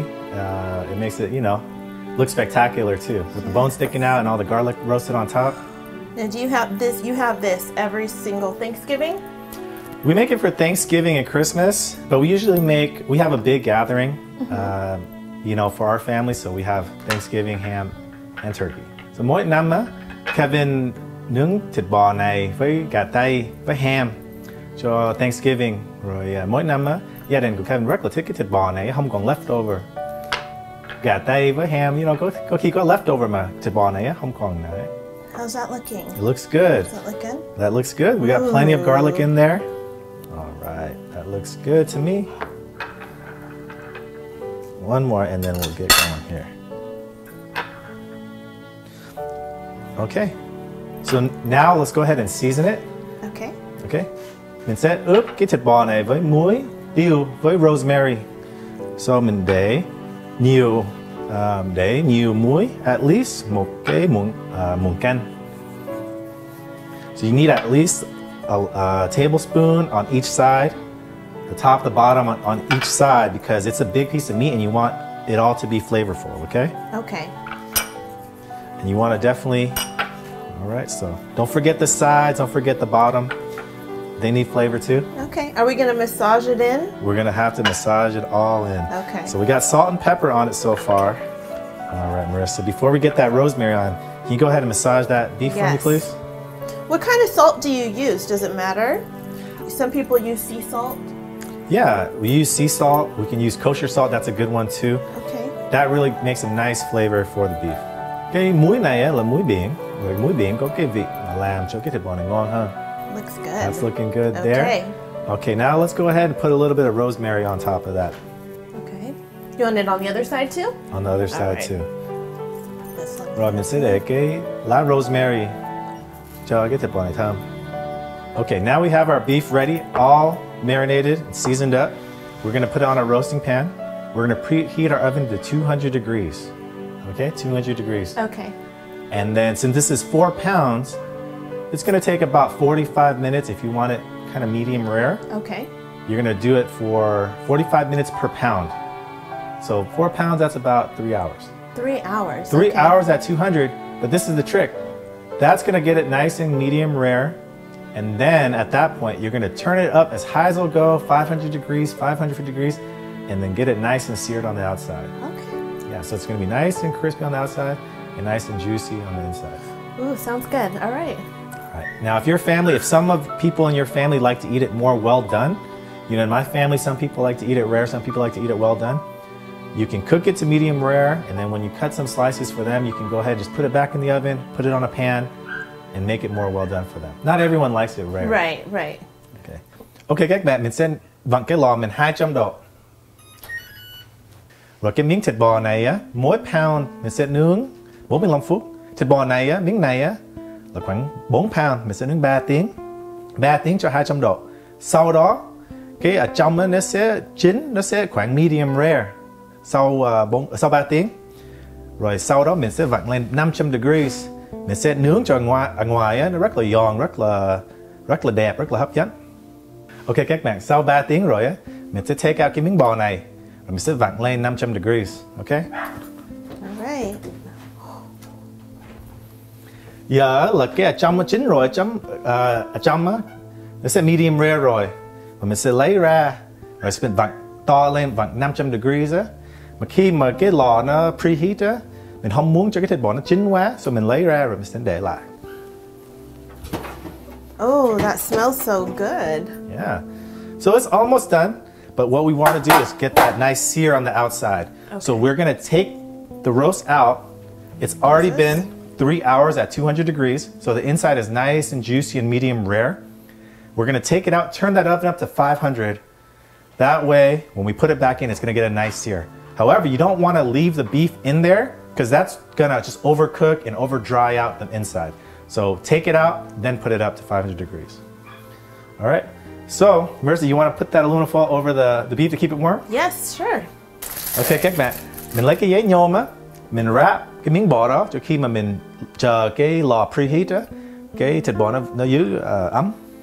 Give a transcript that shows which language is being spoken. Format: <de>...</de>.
<en>It makes it, you know, look spectacular too. With the bone sticking out and all the garlic roasted on top. Now do you have this, every single Thanksgiving? We make it for Thanksgiving and Christmas, but we usually make, we have a big gathering, mm-hmm. You know, for our family. So we have Thanksgiving ham and turkey.</en> <vi>So mỗi năm, Kevin nướng thịt bò này với gà tây với ham cho Thanksgiving. Rồi mỗi năm, gia đình của Kevin rất là thích cái thịt bò này, không còn leftover. Gà tây với ham,</vi> <en>you know,</en> <vi>có khi có leftover mà thịt bò này không còn nữa.</vi> <en>How's that looking? It looks good. Does that look good? That looks good. We got plenty of garlic in there. All right, that That looks good to me. One more and then we'll get going here. Okay, so now let's go ahead and season it. Okay. Okay.</en> <vi>Mình sẽ ướp cái thịt bò này với muối, điều với rosemary. So mình để nhiều, để nhiều muối,</vi> <en>at least</en> <vi>một cái muỗng, muỗng canh.</vi> <en>So you need at least a tablespoon on each side, the top, the bottom on each side, because it's a big piece of meat and you want it all to be flavorful, okay? Okay. And you want to definitely, all right, so don't forget the sides, don't forget the bottom. They need flavor too. Okay, are we gonna massage it in? We're gonna have to massage it all in. Okay. So we got salt and pepper on it so far. All right, Marissa, before we get that rosemary on, can you go ahead and massage that beef for me, please? What kind of salt do you use? Does it matter? Some people use sea salt. Yeah, we use sea salt. We can use kosher salt. That's a good one too. Okay. That really makes a nice flavor for the beef.</en> <vi>Cái muối này là muối biển. Muối biển có cái vị làm cho cái thịt bò này ngon hơn.</vi> <en>Looks good. That's looking good there. Okay. Okay, now let's go ahead and put a little bit of rosemary on top of that. Okay. You want it on the other side too? On the other side too. This</en> <vi>one. Rồi mình sẽ để cái lá rosemary cho cái thịt bò này thơm.</vi> <en>Okay, now we have our beef ready, all marinated, seasoned up. We're gonna put it on a roasting pan. We're gonna preheat our oven to 200 degrees. Okay, 200 degrees. Okay. And then since this is 4 pounds, it's gonna take about 45 minutes if you want it kind of medium rare. Okay. You're gonna do it for 45 minutes per pound. So 4 pounds, that's about 3 hours. 3 hours. Three hours at 200, but this is the trick. That's gonna get it nice and medium rare. And then at that point, you're gonna turn it up as high as it'll go, 500 degrees, 550 degrees, and then get it nice and seared on the outside. Okay. Yeah, so it's gonna be nice and crispy on the outside and nice and juicy on the inside. Ooh, sounds good. All right. Now, if your family, if some of people in your family like to eat it more well done, you know, in my family, some people like to eat it rare, some people like to eat it well done. You can cook it to medium rare, and then when you cut some slices for them, you can go ahead and just put it back in the oven, put it on a pan, and make it more well done for them. Not everyone likes it rare. Right, right. Okay.</en> <vi>Okay, các bạn, mình sẽ vặn cái lò mình 200 độ. Rồi cái miếng thịt bò này, mỗi pound mình sẽ nướng 45 phút. Thịt bò này, miếng này, là khoảng 4 pound, mình sẽ nướng 3 tiếng. 3 tiếng cho 200 độ. Sau đó, cái ở trong nó sẽ chín, nó sẽ khoảng medium rare. Sau 3 tiếng. Rồi sau đó mình sẽ vặn lên 500 degrees. Mình sẽ nướng cho ngoài nó rất là giòn, rất là đẹp, rất là hấp dẫn. Ok các bạn, sau 3 tiếng rồi, mình sẽ</vi> <en>take out</en> <vi>cái miếng bò này. Rồi mình sẽ vặn lên 500 degrees, ok? Alright. Giờ là cái trong chín rồi, trong nó sẽ medium rare rồi. Và mình sẽ lấy ra, rồi sẽ vặn to lên, vặn 500 degrees. Mà khi mà cái lò nó preheat, mình không muốn cho cái thịt bò nó chín quá, so mình lấy ra rồi mình sẽ để lại.</vi> <en>Oh, that smells so good. Yeah. So it's almost done, but what we want to do is get that nice sear on the outside. Okay. So we're going to take the roast out. It's already been 3 hours at 200 degrees, so the inside is nice and juicy and medium rare. We're gonna take it out, turn that oven up to 500. That way, when we put it back in, it's gonna get a nice sear. However, you don't wanna leave the beef in there because that's gonna just overcook and over dry out the inside. So take it out, then put it up to 500 degrees. All right, so Mercy, you wanna put that aluminum foil over the beef to keep it warm? Yes, sure.</en> <vi>Okay, các bạn, mình lấy cái giấy nhôm, mình wrap cái miếng bò đó cho khi mà mình chờ cái lò preheat á, cái thịt bò nó giữ ấm.</vi>